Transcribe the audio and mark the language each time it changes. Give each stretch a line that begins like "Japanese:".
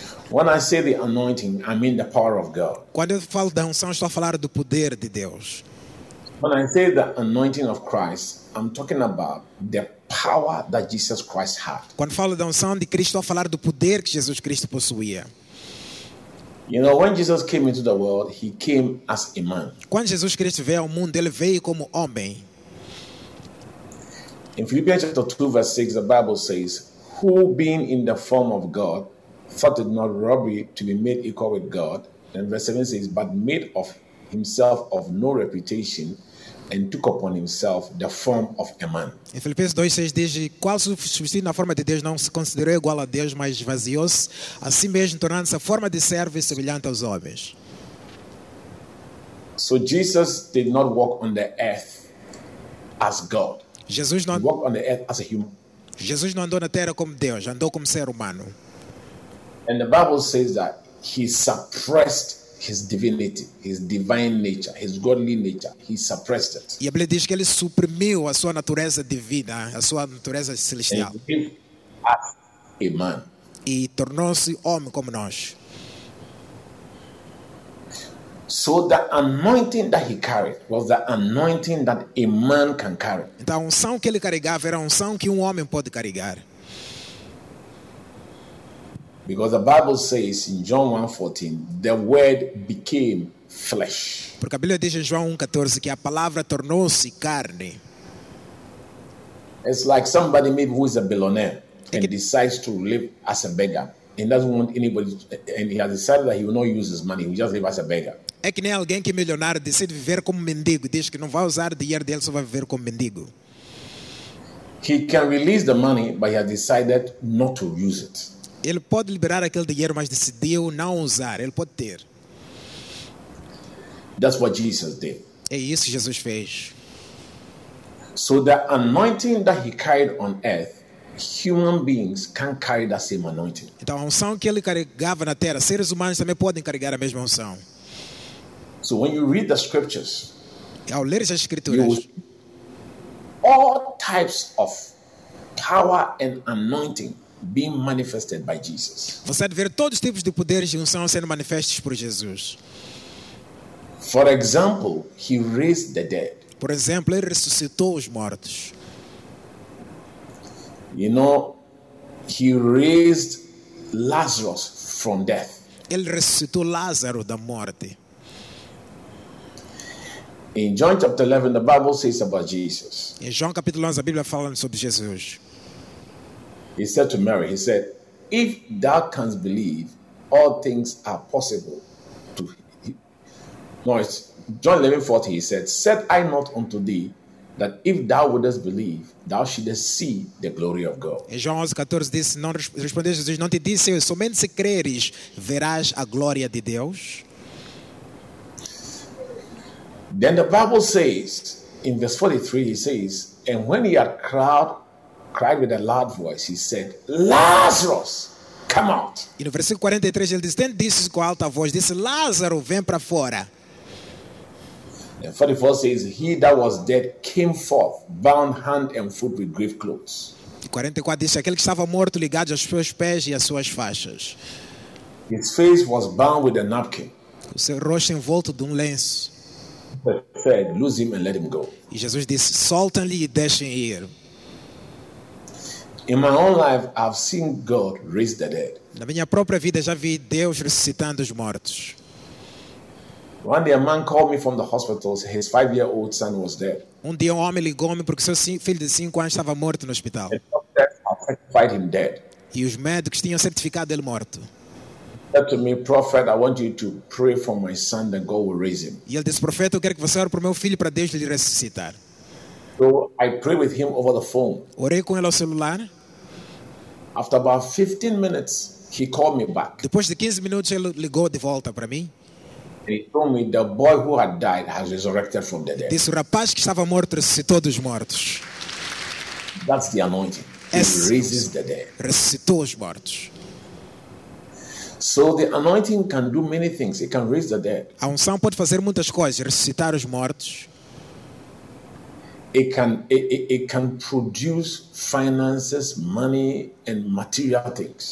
English: When I say the anointing, I mean the power of God.
Portuguese: Quando eu falo da unção, estou a falar do poder de Deus.
English: When I say the anointing of Christ, I'm talking about the power that Jesus Christ had.
Portuguese: Quando falo da unção de Cristo, estou a falar do poder que Jesus Cristo possuía.
English: You know, when Jesus came into the world, he came as a man.
Portuguese: Quando Jesus Cristo veio ao mundo, ele veio como homem.
English: In Philippians chapter 2, verse 6, the Bible says, who being in the form of God, thought it not robbery to be made equal with God. And verse 7 says, but made of himself of no reputation, and took upon himself the form of a man.
Portuguese: Em Filipenses 2:6 diz, qual subsistindo na forma de Deus, não se considerou igual a Deus, mas esvaziou-se a si mesmo, tornando-se a forma de servo e semelhante aos homens.
English: So Jesus did not walk on the earth as God.
Portuguese: Jesus não
English: walked on the earth as a human.
Portuguese: Jesus não andou na terra como Deus, andou como ser humano.
English: And the Bible says that he suppressed his divinity, his divine nature, his godly nature. He suppressed it.
Portuguese: E a Bíblia diz que ele suprimiu a sua natureza divina, a sua natureza celestial.
English: A man.
Portuguese: E tornou-se homem como nós.
English: So the anointing that he carried was the anointing that a man can carry.
Portuguese: Então a unção que ele carregava era a unção que homem pode carregar.
English: Because the Bible says in John 1:14, the word became flesh.
Portuguese: Porque a Bíblia diz em João 1:14 que a palavra tornou-se carne.
English: It's like somebody maybe who is a billionaire and decides to live as a beggar. He doesn't want anybody to, and he has decided that he will not use his money, he will just live as a beggar.
Portuguese: É que nem alguém que é milionário decide viver como mendigo, diz que não vai usar o dinheiro dele, só vai viver como mendigo.
English: He can release the money, but he has decided not to use it.
Portuguese: Ele pode liberar aquele dinheiro, mas decidiu não usar. Ele pode ter.
English: That's what Jesus did.
Portuguese: É isso que Jesus fez.
English: So the anointing that he carried on earth, human beings can carry that same anointing.
Portuguese: Então a unção que ele carregava na terra, seres humanos também podem carregar a mesma unção.
English: So when you read the scriptures,
Portuguese: ao ler as escrituras,
English: all types of power and anointing being manifested by Jesus.
Portuguese: Você vê todos os tipos de poderes e unção sendo manifestos por Jesus.
English: For example, he raised the dead.
Portuguese: Por exemplo, ele ressuscitou os mortos.
English: You know, he raised Lazarus from death.
Portuguese: Ele ressuscitou Lázaro da morte.
English: In John chapter 11, the Bible says about Jesus.
Portuguese: Em João capítulo 11, a Bíblia fala sobre Jesus.
English: He said to Mary, he said, if thou canst believe, all things are possible to him. No, it's John 11:40, he said, said I not unto thee, that if thou wouldest believe, thou shouldest see the glory of God.
Portuguese: Em João 11:14 diz, respondeu Jesus, não te disse eu, somente se creres, verás a glória de Deus.
English: Then the Bible says, in verse 43, he says, and when he had cried with a loud voice, he said, Lazarus, come out.
Portuguese: E no versículo 43, ele disse, tendo disse com alta voz, disse, Lázaro, vem para fora.
English: And 44 says, he that was dead came forth, bound hand and foot with grave clothes.
Portuguese: E 44 disse, aquele que estava morto, ligado aos seus pés e às suas faixas.
English: His face was bound with a napkin.
Portuguese: O seu rosto envolto de lenço.
English: Said, lose him and let him go.
Portuguese: E Jesus disse, soltem-lhe e deixem ir.
English: In my own life, I've seen God raise the dead.
Portuguese: Na minha própria vida já vi Deus ressuscitando os mortos.
English: One day a man called me from the hospital. His 5-year-old son was dead.
Portuguese: Um dia um homem ligou-me porque seu filho de 5 anos estava morto no hospital.
English: The doctor certified him dead.
Portuguese: E os médicos tinham certificado ele morto.
English: He said to me, prophet, I want you to pray for my son that God will raise him.
Portuguese: E ele disse, profeta, eu quero que você ore pro meu filho para Deus lhe ressuscitar.
English: So I prayed with him over the phone.
Portuguese: Orei com ele ao celular.
English: After about 15 minutes, he called me back.
Portuguese: Depois de 15 minutos, ele ligou de volta para mim.
English: And he told me the boy who had died has resurrected from the dead.
Portuguese: Disse, o rapaz que estava morto ressuscitou dos mortos.
English: That's the anointing. He raises the dead.
Portuguese: Ressuscitou os mortos.
English: So the anointing can do many things. It can raise the dead.
Portuguese: A unção pode fazer muitas coisas, ressuscitar os mortos.
English: it can produce finances, money, and material things.